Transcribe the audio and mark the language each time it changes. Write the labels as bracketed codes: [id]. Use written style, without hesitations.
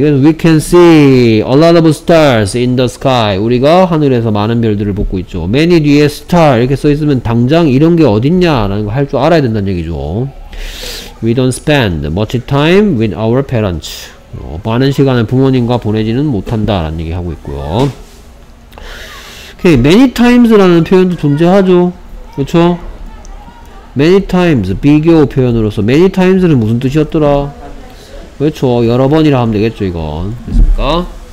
[en] We can see a lot of stars in the sky. [ko] 우리가 하늘에서 많은 별들을 보고 있죠. Many 뒤에 star 이렇게 써있으면 당장 이런 게 어딨냐라는 거 할 줄 알아야 된다는 얘기죠. [en] We don't spend much time with our parents. [ko] 많은 시간을 부모님과 보내지는 못한다라는 얘기 하고 있고요. 오케이. Many times라는 표현도 존재하죠. 그렇죠? Many times 비교 표현으로서 many times는 무슨 뜻이었더라? 그렇죠. 여러 번이라 하면 되겠죠, 이건. 됐습니까?